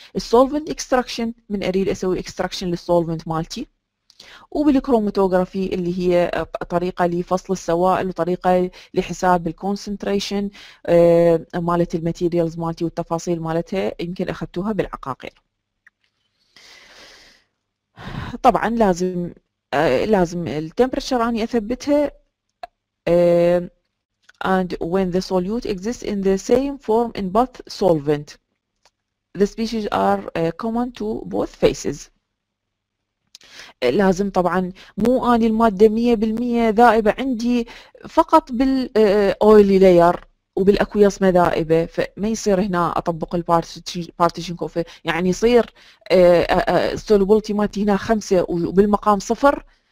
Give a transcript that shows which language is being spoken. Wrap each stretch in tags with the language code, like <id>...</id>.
<ar>Solvent extraction من أريد أسوي extraction للسولفنت مالتي، وبالكروماتوغرافي اللي هي طريقه لفصل السوائل وطريقه لحساب الكونسنتريشن مالت الماتيريالز مالتي والتفاصيل مالتها يمكن اخذتوها بالعقاقير. طبعا لازم التمبرتشر اني اثبتها</ar> <en>and when the solute exists in the same form in both solvent the species are common to both phases.</en> <ar>لازم طبعا مو اني الماده 100% ذائبه عندي فقط بالاويلي لاير وبالاكويس ما ذائبه، فما يصير هنا اطبق البارتيشن كوفي، يعني يصير السولوبلتي مالتي هنا 5 وبالمقام 0</ar>